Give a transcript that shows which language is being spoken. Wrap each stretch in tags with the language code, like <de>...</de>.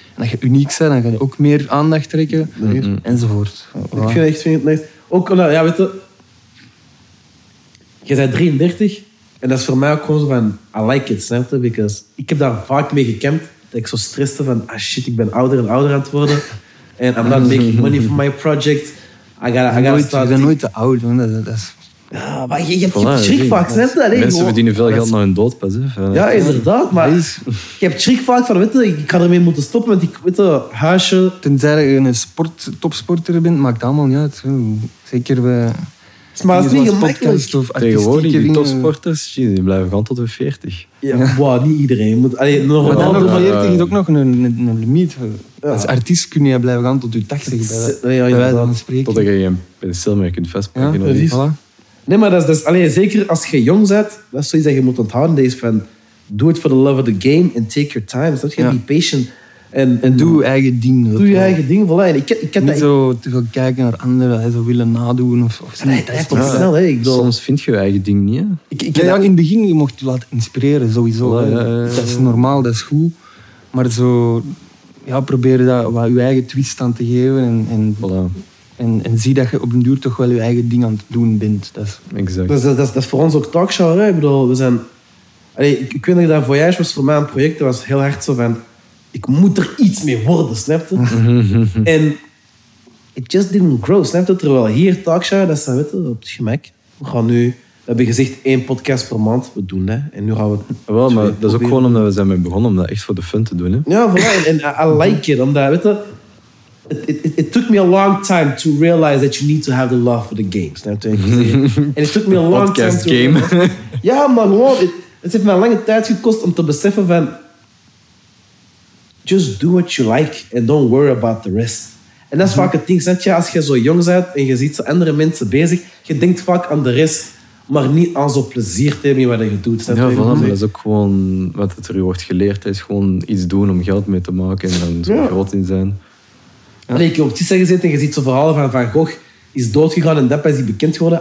<nl>En als je uniek bent, dan ga je ook meer aandacht trekken. Mm-hmm. Enzovoort. Ja. Ik vind het echt nice. Ook, weet je... Je bent 33. En dat is voor mij ook gewoon zo van...</nl> <en>I like it,</en> <nl>snap je?</nl> <en>Because</en> <nl>ik heb daar vaak mee gekampt. Dat ik zo stresste van... Ah shit, ik ben ouder en ouder aan het worden. En</nl> <en>I'm not making money for my project.</en> <nl>Ik ben nooit te oud, man. Dat is... Ja, maar je hebt schrik vaak, snap je? Mensen verdienen veel geld naar hun dood, pas. Ja, inderdaad, maar je hebt schrik vaak van, ik ga ermee moeten stoppen met die huisje. Tenzij je een topsporter bent, maakt dat allemaal niet uit. Zeker bij... Maar het is niet gemakkelijk. Of tegenwoordig, die topsporters, die blijven gewoon tot de 40. Ja, wow, niet iedereen. Maar dan is ook nog een limiet. Als artiest kun je blijven gaan tot je 80. Totdat je een penseel meer kunt vastpakken. Nee, maar dat is zeker als je jong bent, dat is zoiets dat je moet onthouden. Deze van,</nl> <en>do it for the love of the game and take your time.</en> <nl>Dat je</nl> <en>be patient.</en> <nl>En doe je eigen ding. Doe je eigen ding. Voilà. Ik heb niet te gaan kijken naar anderen, hè, zo willen nadoen. Snel, hè. Soms vind je eigen ding niet. In het begin, je mocht je laten inspireren, sowieso. Dat is normaal, dat is goed. Maar zo, probeer dat wat je eigen twist aan te geven. En zie dat je op een duur toch wel je eigen ding aan het doen bent. Dat is voor ons ook talkshow. Hè? Ik bedoel, we zijn... ik weet nog dat Voyage was voor mij een project. Dat was heel hard zo van... Ik moet er iets mee worden, snap je? En</nl> <en>it just didn't grow,</en> <nl>snap je? Terwijl hier talkshow, dat is dan, weet je, op het gemak. We hebben gezegd 1 podcast per maand. We doen dat. En nu gaan we... Wel, maar dat is ook gewoon omdat we zijn mee begonnen. Om dat echt voor de fun te doen. Hè? Ja, voilà. En</nl> <en>I like it.</en> <nl>Omdat, weet je...</nl> <en>It took me a long time to realize that you need to have the love for the games. And it took me a long podcast time game. To realize. Ja, man, wow.</en> <nl>Het heeft me een lange tijd gekost om te beseffen van...</nl> <en>Just do what you like and don't worry about the rest.</en> <nl>En dat is vaak het ding. Zet je, als je zo jong bent en je ziet zo andere mensen bezig, je denkt vaak aan de rest, maar niet aan zo'n plezier te hebben wat je doet. Dat is ook gewoon wat het er wordt geleerd. Is gewoon iets doen om geld mee te maken en dan zo groot in zijn. Ja. Allee, ik heb op Tissa gezeten en je ziet zo'n verhalen van Van Gogh is doodgegaan en dat is hij bekend geworden.</nl>